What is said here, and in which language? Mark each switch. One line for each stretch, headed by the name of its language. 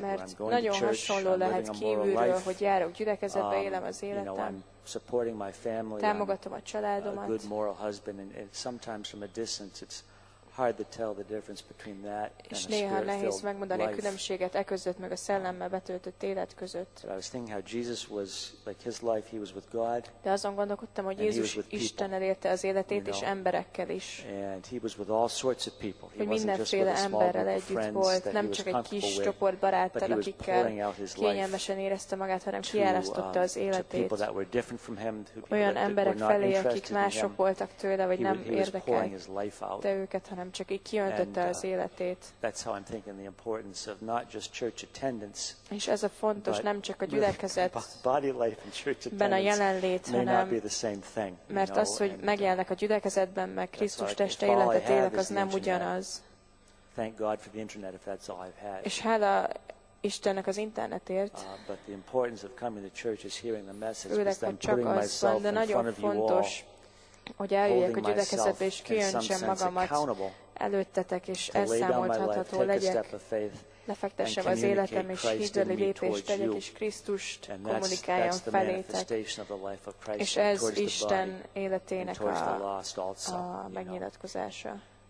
Hungarian: Mert
English: I'm going
Hungarian: nagyon
English: to church,
Hungarian: hasonló
English: I'm
Hungarian: lehet kívülről, hogy járok gyülekezetbe, élem az életem.
English: You know, I'm supporting my family.
Hungarian: Támogatom a családomat.
English: A good moral husband, and sometimes from a distance, it's hard to tell the difference between that and a spirit-filled life.
Hungarian: És néha nehéz megmondani a különbséget e között meg a szellemmel betöltött élet között.
English: But I was thinking how Jesus was like his life, he was with God.
Hungarian: De azon gondolkodtam, hogy Jézus Istennel élte az életét és emberekkel is.
English: And he was with all sorts of people.
Hungarian: Hogy mindenféle emberrel együtt volt, nem csak egy kis csoport baráttal, akikkel kényelmesen érezte magát, hanem kiárasztotta az életét.
English: People that were different from him,
Hungarian: olyan emberek felé, akik mások voltak tőle, vagy nem érdekelt, de őket hanem csak így kiöntötte az életét.
English: That's how I'm thinking the importance of not just church attendance.
Hungarian: És ez a fontos, nem csak a gyülekezet.
English: Body life and church attendance may not be the same thing.
Hungarian: Mert az, hogy megjelenek a gyülekezetben, meg Krisztus teste életet élek, az nem ugyanaz.
English: Thank God for the internet if that's all I've had.
Hungarian: És hála Istennek az internetért.
English: But the importance of coming to church is hearing the message, because I'm putting myself in front of you all.
Hungarian: hogy eljöjjek a gyülekezetbe, és kijöntsem magamat előttetek, és elszámolhatható legyek. Lefektessem az életem, és hitbeli lépést tegyek, és Krisztust kommunikáljam felétek. És ez Isten életének a megnyilatkozása.